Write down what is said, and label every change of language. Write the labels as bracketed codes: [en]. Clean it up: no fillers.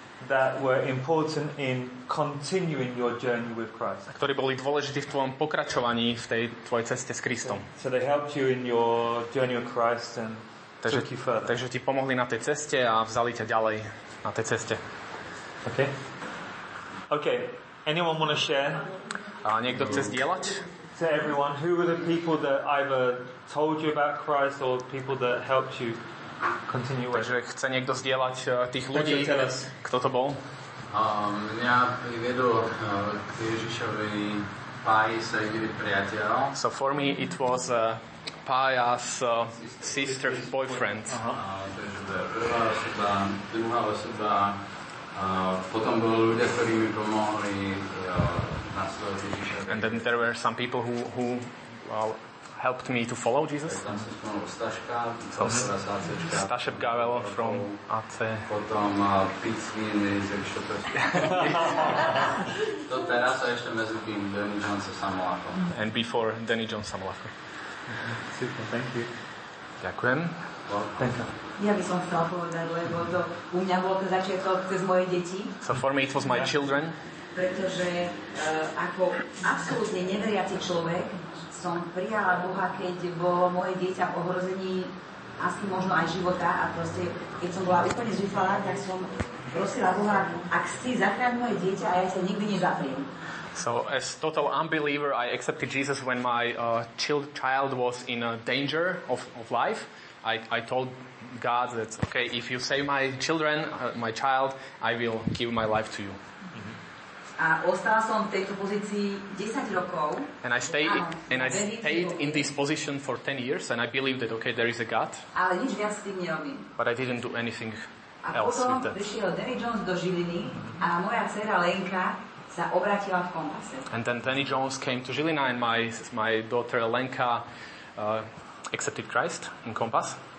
[en] That were important in continuing your journey with Christ. [sk] Ktorí boli dôležití v tvojom pokračovaní v tej tvojej ceste s Kristom. [en] So they helped you in your journey with Christ and took you further. [sk] Takže ti pomohli na tej ceste a vzali ťa ďalej na tej ceste. [en] Okay. Okay. Anyone want to share? [sk] A niekto chce zdieľať? [en] To everyone, who were the people that either told you about Christ or people that helped you? Continue. [sk] Takže chce niekto zdieľať tých ľudí, kto to bol? Mňa priviedol k Ježišovi Pájas a 9 priateľov. [en] So for me it was Pájas sister's boyfriend. [sk] Prvá osoba, druhá osoba, potom bol ľudia, ktorí mi pomohli nasledovať Ježiša. [en] And then there were some people who well, helped me to follow Jesus. So, Stašep Gavel from AC. [sk] Potom Pizzini z Ekšotovského. To teraz a ešte medzi tým Danny Johnson Samolako. [en] And before Danny Johnson Samolako. Super, thank you. [sk] Ďakujem. Ja by som chcel povedať, lebo to u mňa bolo to začiatok cez moje deti. [en] So for me it was my children. [sk] Pretože ako absolútne neveriaci človek som prijala Boha, keď bolo moje dieťa v ohrození asi možno aj života a proste, keď som bola úplne zúfala, tak som prosila Boha, ak si zachráň moje dieťa a ja sa nikdy nezapriem. [en] So as total unbeliever, I accepted Jesus when my child was in danger of life. I told God that, okay, if you save my children, my child, I will give my life to you. [sk] A ostala som v tejto pozícii 10 rokov. [en] And I stayed in this position for 10 years and I believed that okay there is a God. [sk] Ale nič viac s tým nerobím. [en] But I didn't do anything else with that. [sk] A potom prišiel Danny Jones do Žiliny a moja dcera Lenka sa obrátila v Kompase. [en] And then Danny Jones came to Žilina and my daughter Lenka accepted Christ in Kompas.